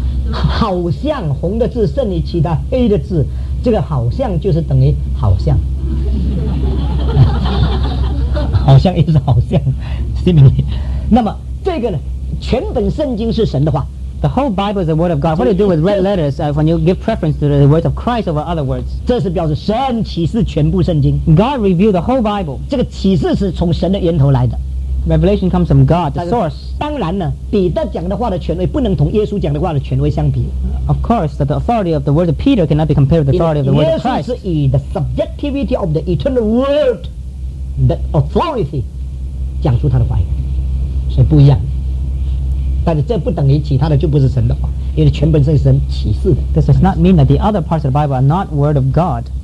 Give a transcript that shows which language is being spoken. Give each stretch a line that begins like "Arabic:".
Chinese: 好像红的字胜于其他黑的字，这个好像就是等于好像，好像也是好像，是不是？那么这个呢，全本圣经是神的话。
English: The whole Bible is the word of God. What do you do with red letters when you give preference to the words of Christ over other words?
Chinese: 这是表示神启示全部圣经。
English: God revealed the whole Bible.
Chinese: 这个启示是从神的源头来的。
English: Revelation comes from God, the source.
Chinese: 当然呢，彼得讲的话的权威不能同耶稣讲的话的权威相比。
English: Of course, that the authority of the word of Peter cannot be compared with the authority of the word of Christ.
Chinese: 耶稣是以
English: the subjectivity of the eternal word, the authority,
Chinese: 讲出他的话语，所以不一样。但是这不等于其他的就不是神的话，因为全本圣经是神启示的。
English: This does not mean that the other parts of the Bible are not word of God.